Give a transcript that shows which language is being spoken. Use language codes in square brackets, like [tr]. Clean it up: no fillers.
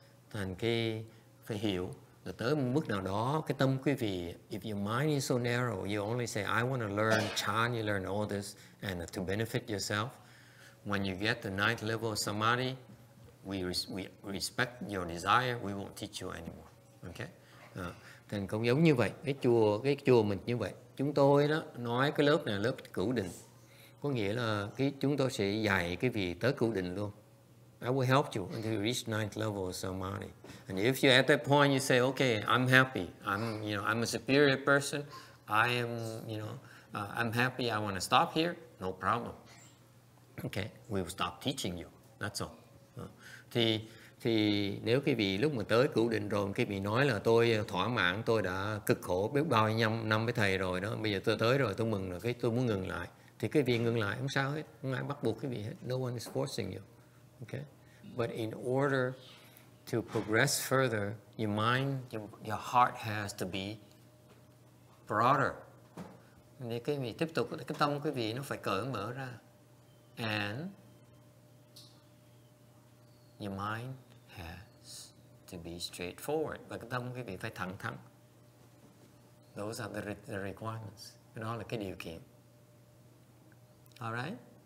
[vi] Thành cái phải hiểu là tới một mức nào đó, cái tâm quý vị, [en] if your mind is so narrow, you only say, I want to learn Chan, you learn all this, and to benefit yourself. When you get the ninth level of Samadhi, we respect your desire, we won't teach you anymore. Okay? [vi] Thì cũng giống như vậy, cái chùa mình như vậy. Chúng tôi đó nói cái lớp này là lớp cửu định, có nghĩa là cái chúng tôi sẽ dạy cái vị tới cửu định luôn. [en] I will help you until you reach ninth level of samadhi. And if you at that point you say, okay, I'm happy, I'm a superior person, I am, I'm happy, I want to stop here, no problem. Okay, we will stop teaching you. That's all. [vi] Thì nếu cái vị lúc mà tới cửu định rồi, cái vị nói là tôi thỏa mãn, tôi đã cực khổ biết bao nhiêu năm với thầy rồi đó, bây giờ tôi tới rồi, tôi mừng rồi, cái tôi muốn ngừng lại, thì cái vị ngừng lại không sao hết, không ai bắt buộc cái vị hết. [en] No one is forcing you. Okay, but in order to progress further, your mind, your heart has to be broader. [vi] Nên cái vị tiếp tục, cái tâm cái vị nó phải cởi mở ra. [en] And your mind has to be straightforward. [vi] Và cái tâm quý vị phải thẳng thắn. [en] Those are the requirements. [vi] Cái đó là cái điều kiện. All right?